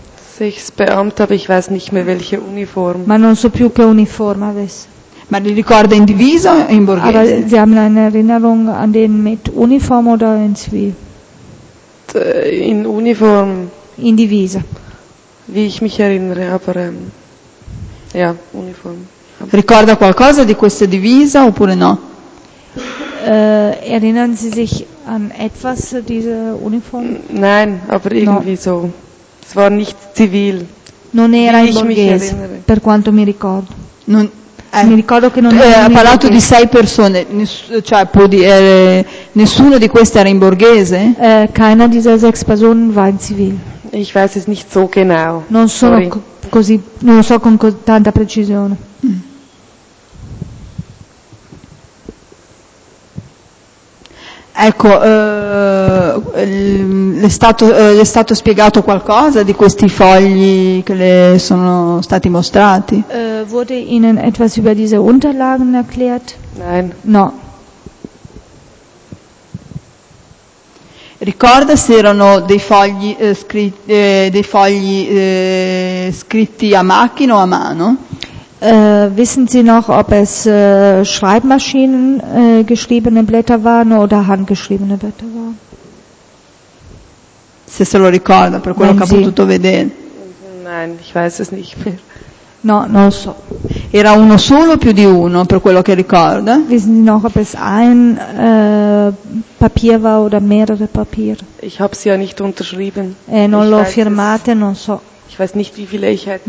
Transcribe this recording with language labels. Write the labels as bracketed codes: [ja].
[de] Sechs Beamte, aber ich weiß nicht mehr welche Uniform. [it] Ma non so più che uniforme avesse. Ma li ricorda in divisa o in borghese? [de] Aber sie haben eine Erinnerung an den mit Uniform oder in Zivil? In Uniform. [it] In divisa. [de] Wie ich mich erinnere, aber ja, Uniform. [it] Ricorda qualcosa di questa divisa oppure no? [de] Erinnern Sie sich an etwas dieser Uniform? Nein, aber irgendwie no. So. Es war nicht zivil. [it] Non era in borghese, per quanto mi ricordo. Non, mi ricordo che non era in parlato di sei persone, cioè può dire nessuno di questi era in borghese? [de] Keiner dieser sechs Personen war in zivil. Ich weiß es nicht so genau. [it] Non sono così, non lo so con tanta precisione. Ecco, le è stato spiegato qualcosa di questi fogli che le sono stati mostrati? [de] Wurde Ihnen etwas über diese Unterlagen erklärt? Nein. [it] No. Ricorda se erano dei fogli scritti a macchina o a mano? [de] Wissen Sie noch, ob es Schreibmaschinen geschriebene Blätter waren oder handgeschriebene Blätter waren? [it] Se se lo ricorda, per quello che ha potuto vedere. [de] Nein, ich weiß es nicht mehr. [it] No, non so. Era uno solo o più di uno, per quello che ricorda? [de] Wissen Sie noch, ob es ein Papier war oder mehrere Papiere? Ich habe sie ja nicht unterschrieben. [it] Non l'ho firmate, non so. [de] Ich weiß nicht, wie viele ich hätte.